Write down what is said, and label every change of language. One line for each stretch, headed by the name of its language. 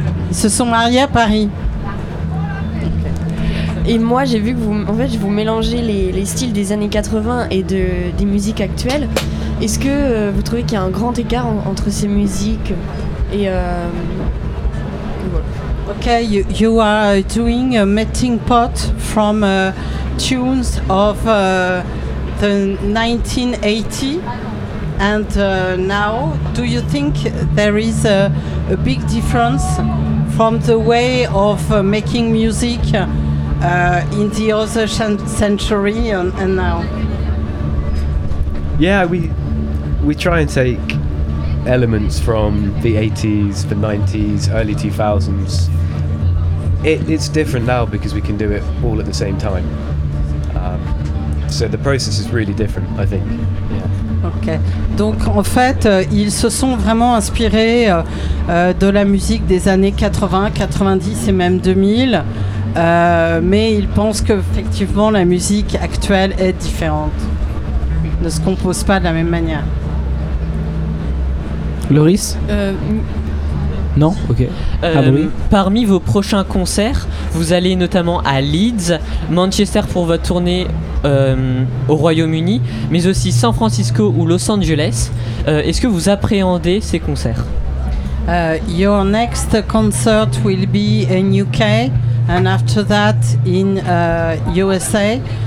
French: Ils se sont mariés à Paris. Et moi, j'ai vu que vous mélangez les styles des années 80 et des musiques actuelles. Est-ce que vous trouvez qu'il y a un grand écart entre ces musiques et voilà.
English: Okay, you are doing a melting pot from tunes of the 1980. And now, do you think there is a big difference from the way of making music in the other century and now? Yeah, we try and take elements from the 80s, the 90s, early 2000s, It's different now because we can do it all at the same time. So the process is really different, I think. Yeah. Okay.
French: Donc en fait, ils se sont vraiment inspirés de la musique des années 80, 90 et même 2000. Mais ils pensent que effectivement la musique actuelle est différente. Ne se compose pas de la même manière. Loris? Non, ok. Parmi vos prochains concerts, vous allez notamment à Leeds, Manchester pour votre tournée au Royaume-Uni, mais aussi San Francisco ou Los Angeles. Est-ce que vous appréhendez ces concerts?
English: Your next concert will be in UK and after that in USA.